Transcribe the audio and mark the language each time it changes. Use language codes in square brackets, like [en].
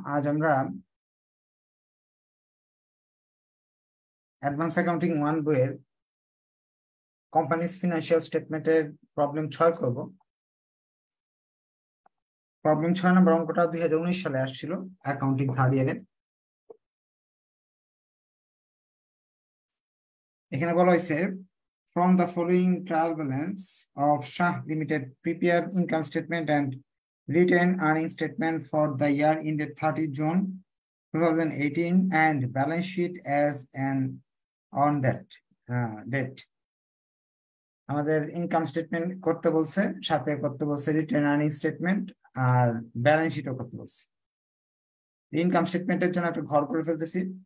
[bn] আজ আমরা advance accounting 1 বইয়ের কোম্পানিজ ফিনান্সিয়াল স্টেটমেন্টের প্রবলেম 6 করব। প্রবলেম 6 নম্বর অঙ্কটা 2019 সালে আসছিল অ্যাকাউন্টিং থার্ড ইয়ারে। এখানে বলা হয়েছে, [en] from the following trial balance of Shah Limited, prepare income statement and retained earnings statement for the year ended 30 June 2018 and balance sheet as and on that date. [bn] আমাদের income statement করতে বলছে, সাথে করতে বলছে রিটেন আর্নিং স্টেটমেন্ট, আর balance শিটও করতে বলছে। Income স্টেটমেন্টের জন্য একটা ঘর করে ফেলতেছি।